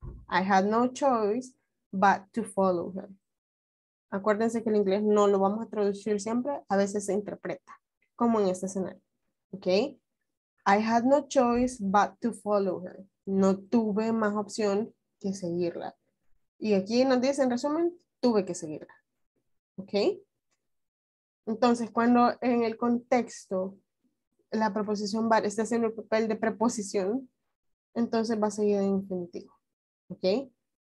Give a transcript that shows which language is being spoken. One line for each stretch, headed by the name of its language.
English: I had no choice but to follow her.
Spanish: Acuérdense que el inglés no lo vamos a traducir siempre. A veces se interpreta, como en este escenario. ¿Ok?
English: I had no choice but to follow her.
Spanish: No tuve más opción que seguirla. Y aquí nos dice, en resumen, tuve que seguirla. ¿Ok? Entonces, cuando en el contexto la preposición but está haciendo el papel de preposición, entonces va a seguir en infinitivo. ¿Ok?